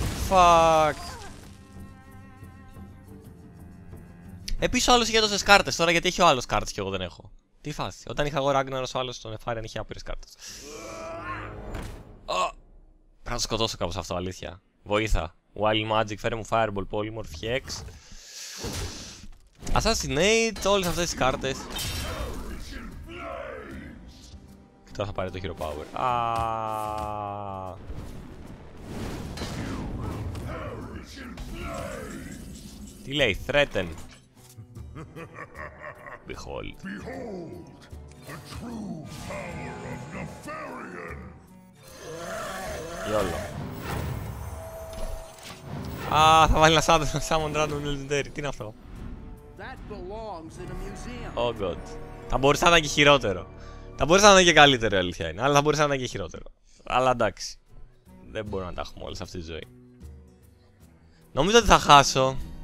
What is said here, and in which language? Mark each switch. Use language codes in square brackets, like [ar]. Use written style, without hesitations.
[en] Fuck. [el] Επίσης ο άλλος είχε τόσες κάρτες τώρα, γιατί έχει ο άλλος κάρτες και εγώ δεν έχω. Τι φάση. Όταν είχα εγώ Ragnaros, ο άλλος στον Nefarian είχε άπειρες κάρτες. Πρέπει να το σκοτώσω κάπως αυτό, αλήθεια. Βοήθα. Wild Magic, φέρε μου Fireball, Polymorph, Hex. Assassinate, όλες αυτές τις κάρτες. Τώρα θα πάρει το Hero Power. Α... Τι λέει, threaten. [en] Behold. Behold the true power of Nefarian. Yolo. Ah, [el] θα βάλει ένα [en] Summon Dragon Legendary. [el] Τι είναι αυτό? [en] That belongs in a museum. Oh god. [el] Θα μπορούσε να είναι και χειρότερο. Θα μπορούσε να είναι και καλύτερο, αλήθεια είναι. Αλλά θα μπορούσε να είναι και χειρότερο. Αλλά εντάξει. Δεν μπορώ να τα έχουμε όλες αυτή τη ζωή. Νομίζω ότι θα χάσω.